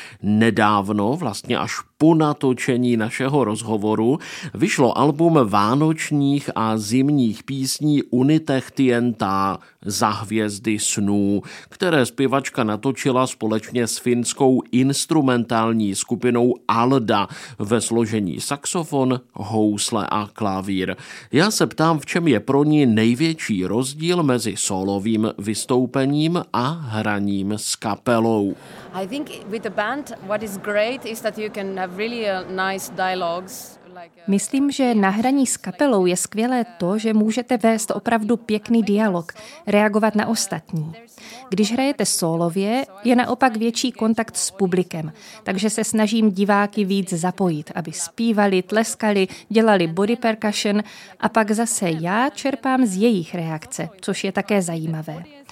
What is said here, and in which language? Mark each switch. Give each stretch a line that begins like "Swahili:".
Czech: Nedávno, vlastně až po natočení našeho rozhovoru, vyšlo album vánočních a zimních písní Unitech Tienta Za hvězdy snů, které zpěvačka natočila společně s finskou instrumentální skupinou Alda ve složení saxofon, housle a klavír. Já se ptám, v čem je pro ní největší rozdíl mezi solovým vystoupením a hraním s kapelou.
English: I think with the band what is great is that you can have really nice dialogues.
Czech: Myslím, že na hraní s kapelou je skvělé to, že můžete vést opravdu pěkný dialog, reagovat na ostatní. Když hrajete sólově, je naopak větší kontakt s publikem, takže se snažím diváky víc zapojit, aby zpívali, tleskali, dělali body percussion a pak zase já čerpám z jejich reakce, což je také zajímavé.